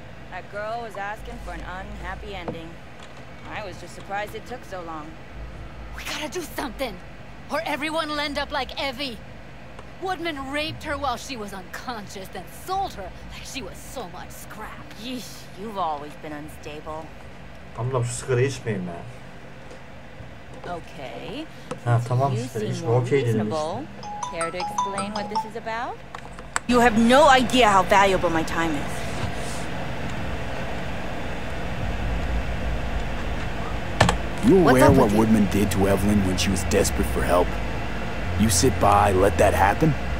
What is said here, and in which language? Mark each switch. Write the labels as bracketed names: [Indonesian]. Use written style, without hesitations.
[English] That girl was asking for an unhappy ending. I was just surprised it took so long. We gotta do something, or everyone will end up like Evie. Woodman raped her while she was unconscious, then sold her like she was so much scrap. Yeesh, you've always been unstable. [Turkish] Ablam şu sigara içmeyin be. [English] Okay. [Turkish] Ha tamam işte, içme okey dedim işte. [English] Care to explain what this is about? You have no idea how valuable my time is. You aware what Woodman did to Evelyn when she was desperate for help? You sit by, let that happen?